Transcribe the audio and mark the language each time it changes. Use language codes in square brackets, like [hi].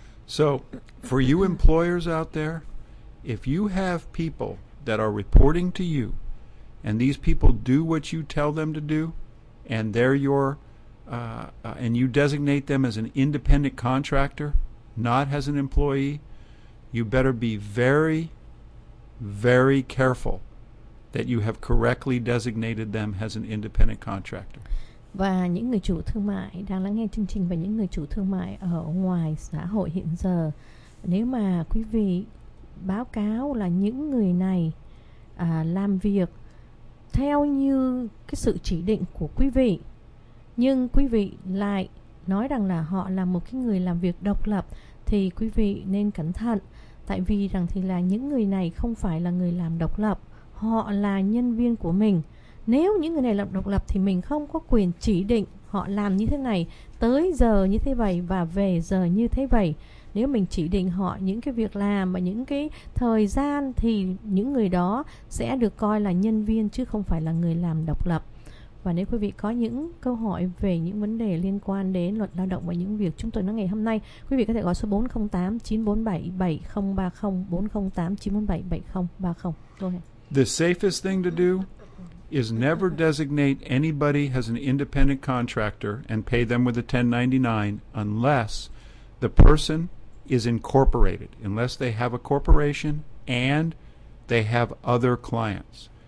[en] So, for you employers out there, if you have people that are reporting to you, and these people do what you tell them to do, and they're your, and you designate them as an independent contractor, not as an employee, you better be very, very careful that you have correctly designated them as an independent contractor. [vi] Và những người chủ thương mại đang lắng nghe chương trình, và những người chủ thương mại ở ngoài xã hội hiện giờ, nếu mà quý vị báo cáo là những người này làm việc theo như cái sự chỉ định của quý vị, nhưng quý vị lại nói rằng là họ là một cái người làm việc độc lập, thì quý vị nên cẩn thận. Tại vì rằng thì là những người này không phải là người làm độc lập, họ là nhân viên của mình. Nếu những người này làm độc lập thì mình không có quyền chỉ định họ làm như thế này, tới giờ như thế vậy và về giờ như thế vậy. Nếu mình chỉ định họ những cái việc làm và những cái thời gian thì những người đó sẽ được coi là nhân viên chứ không phải là người làm độc lập. Và nếu quý vị có những câu hỏi về những vấn đề liên quan đến luật lao động và những việc chúng tôi nói ngày hôm nay, quý vị có thể gọi số 408-947-7030, 408-947-7030. [en] Go ahead. The safest thing to do is never designate anybody as an independent contractor and pay them with a 1099 unless the person is incorporated, unless they have a corporation and they have other clients.